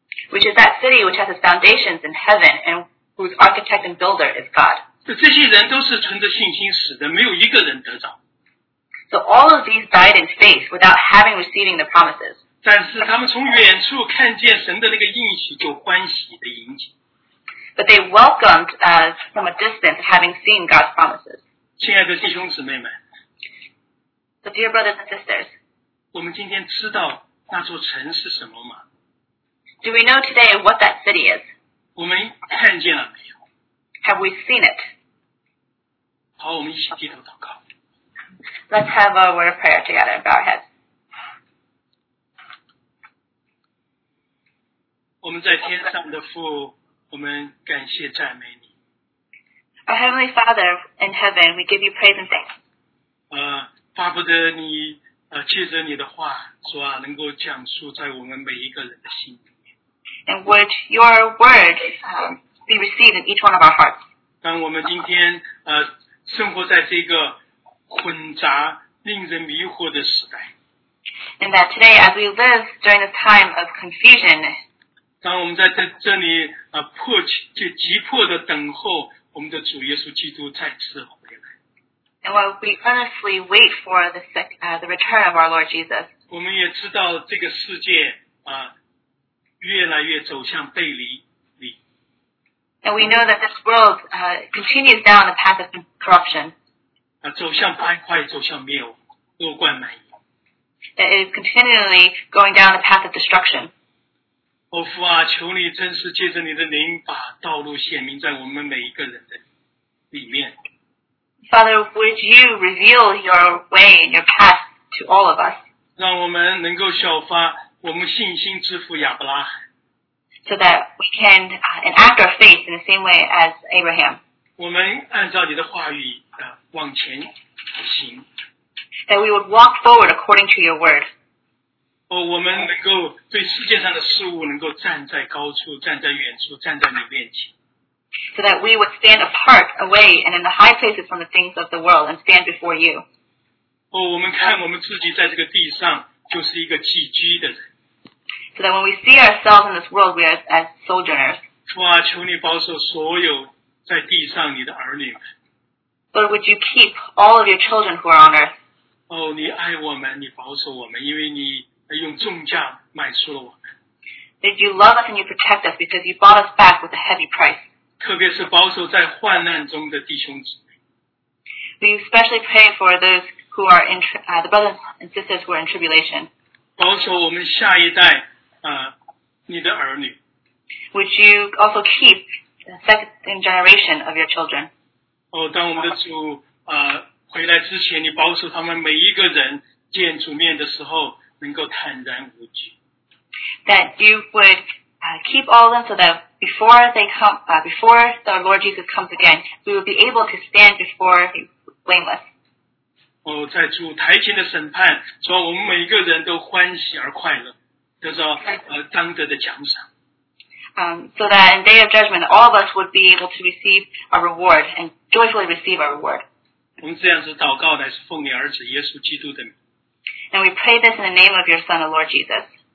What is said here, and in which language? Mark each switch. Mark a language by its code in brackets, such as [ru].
[en] Which is that city which has its foundations in heaven, and whose architect and builder is God. [zh] 这些人都是存着信心死的，没有一个人得着。 [en] So all of these died in faith without having received the promises. [zh] 但是他们从远处看见神的那个应许，就欢喜的迎接。 [en] But they welcomed from a distance having seen God's promises. [zh] 亲爱的弟兄姊妹们 [en] So dear brothers and sisters, [zh] 我们今天知道那座城是什么吗？ [en] Do we know today what that city is? [zh] 我们看见了没有？ [en] Have we seen it? [zh] 好，我们一起低头祷告。 [en] Let's have a word of prayer together and bow our heads. [zh] 我们在天上的父，我们感谢赞美你。 [en] Our Heavenly Father in heaven, we give you praise and thanks. [zh] 巴不得你借着你的话说啊，能够讲述在我们每一个人的心里面。 [en] And would your word be received in each one of our hearts? [zh] 当我们今天生活在这个混杂令人迷惑的时代。 [en] And that today, as we live during this time of confusion, [zh] 当我们在这里急迫地等候我们的主耶稣基督再次回来。 [en] And while we earnestly wait for the return of our Lord Jesus, [zh] 我们也知道这个世界越来越走向背离。 [en] And we know that this world continues down the path of corruption. [zh] 走向败坏，走向灭亡，恶贯满盈。 [en] It is continually going down the path of destruction. [zh] 哦父啊，求你真是借着你的灵，把道路显明在我们每一个人的里面。 [en] Father, would you reveal your way and your path to all of us? [zh] 让我们能够效法我们信心之父亚伯拉罕。 [en] So that we can enact our faith in the same way as Abraham. [zh] 我们按照你的话语往前行。 [en] That we would walk forward according to your word. [zh] 我们能够对世界上的事物能够站在高处，站在远处，站在你面前。 [en] So that we would stand apart, away, and in the high places from the things of the world, and stand before you. [zh] 我们看我们自己在这个地上就是一个寄居的人。 [en] So that when we see ourselves in this world, we are as sojourners. [zh] 主啊，求你保守所有在地上你的儿女们。 [en] Lord, would you keep all of your children who are on earth? [zh] 你爱我们，你保守我们，因为你用重价买出了我们。 [en] Did you love us and you protect us because you bought us back with a heavy price? [zh] 特别是保守在患难中的弟兄姊妹。 [en] We especially pray for those who are in the brothers and sisters who are in tribulation. [zh] 保守我们下一代。你的儿女。 [en] Would you also keep the second generation of your children? [zh] 当我们的主回来之前，你保守他们每一个人见主面的时候能够坦然无惧。 [en] That you would keep all of them so that before they come, before the Lord Jesus comes again, we would be able to stand before you blameless. [zh] 在主台前的审判，说我们每一个人都欢喜而快乐。得到当得的奖赏。 [en] So that in day of judgment, all of us would be able to receive a reward and joyfully receive a reward. [zh] 我们这样子祷告乃是奉你儿子耶稣基督的名。 [en] And we pray this in the name of your Son, the Lord Jesus.